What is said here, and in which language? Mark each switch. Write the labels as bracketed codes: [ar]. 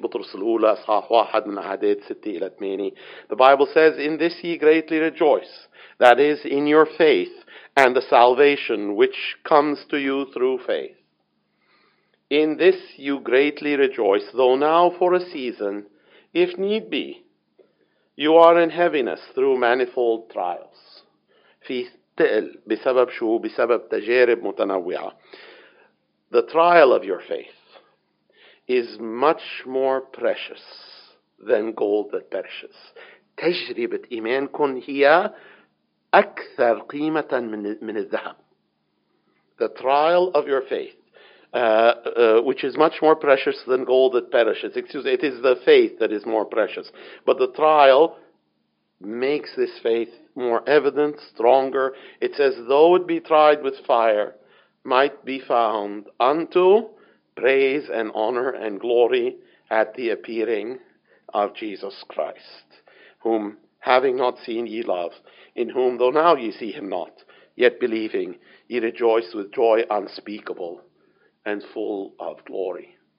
[ar] بطرس الأولى أصحاح واحد من أعداد 6 إلى 8. [en] The Bible says, in this ye greatly rejoice, that is, in your faith and the salvation which comes to you through faith. In this you greatly rejoice, though now for a season, if need be, you are in heaviness through manifold trials. [ar] في تقل بسبب شو؟ بسبب تجارب متنوعة. [en] The trial of your faith is much more precious than gold that perishes. [ar] تجربة إيمانكم هي أكثر قيمة من الذهب. [en] The trial of your faith, which is much more precious than gold that perishes. Excuse me, it is the faith that is more precious. But the trial makes this faith more evident, stronger. It says, though it be tried with fire, might be found unto praise and honor and glory at the appearing of Jesus Christ, whom having not seen ye love, in whom though now ye see him not, yet believing, ye rejoice with joy unspeakable and full of glory.